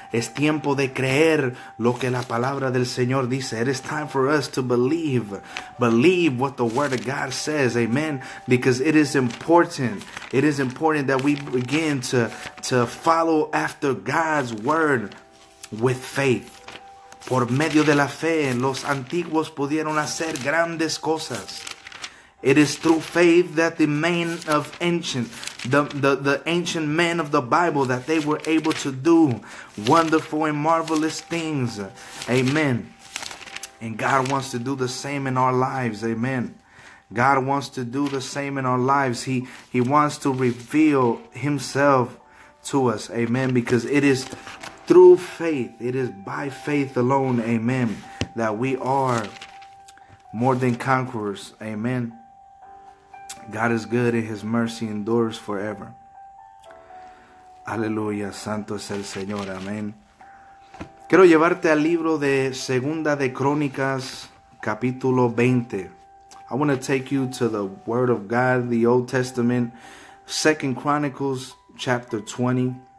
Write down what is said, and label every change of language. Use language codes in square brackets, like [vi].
[es] Es tiempo de creer lo que la palabra del Señor dice. [en] It is time for us to believe what the word of God says, amen, because it is important that we begin to follow after God's word with faith. [es] Por medio de la fe, los antiguos pudieron hacer grandes cosas. [en] It is through faith that the men of ancient, the ancient men of the Bible, that they were able to do wonderful and marvelous things. Amen. And God wants to do the same in our lives. Amen. God wants to do the same in our lives. He wants to reveal Himself to us. Amen. Because it is through faith, it is by faith alone, amen, that we are more than conquerors. Amen. God is good and His mercy endures forever. [es] Aleluya, santo es el Señor, amén. Quiero llevarte al libro de Segunda de Crónicas, capítulo 20. [en] I want to take you to the Word of God, the Old Testament, 2 Chronicles, chapter 20.